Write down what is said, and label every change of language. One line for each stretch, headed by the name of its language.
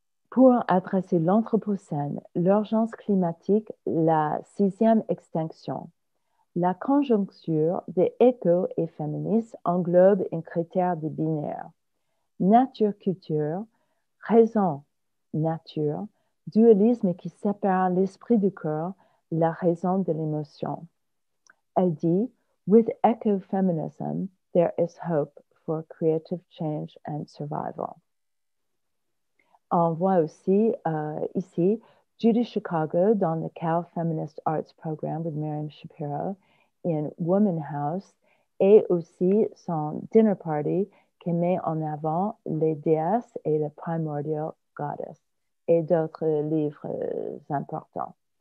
French: Pour adresser l'Anthropocène, l'urgence climatique, la sixième extinction, la conjoncture des éco et féministes englobe un critère de binaire. Nature-culture, raison-nature, dualisme qui sépare l'esprit du corps, la raison de l'émotion. Elle dit,
English: With eco-feminism, there is hope for creative change and survival.
French: On voit aussi ici Judy Chicago dans le Cal Feminist Arts Program with Miriam Shapiro in Woman House et aussi son Dinner Party qui met en avant les déesses et le Primordial Goddess et d'autres livres importants.